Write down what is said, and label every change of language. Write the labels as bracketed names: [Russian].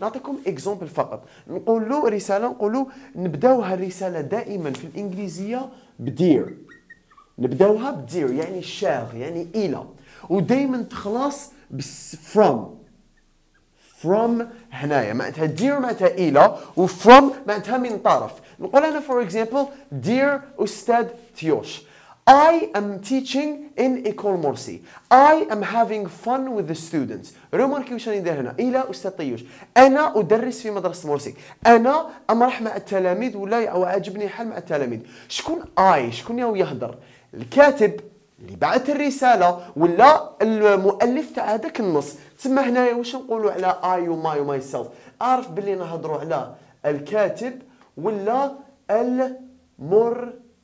[Arabic] نعطيكم إكزومبل فقط نقول له رسالة نقول نبدأوها الرسالة دائما في الإنجليزية بdear. نبدأوها بdear يعني شاغ يعني إلى ودائما تخلص بس from. from هنايا معناتها dear معناتها إلى وfrom معناتها من طرف. نقول أنا [English] for example dear أستاذ تيوش I am teaching in Ecole Morsi. I am having fun with the students. [Arabic] ريماركي وش ندير هنا إلى أستاذ تيوش أنا أدرس في مدرسة مورسي أنا أمرح مع التلاميذ ولا أعجبني حال مع التلاميذ. شكون I شكون ياو يهدر الكاتب اللي بعت الرسالة ولا المؤلف تاع هذاك النص. تسمى هنا وش نقولوا على I وماي وماي سيلف أعرف باللي نهضروا على الكاتب ولا المرسل.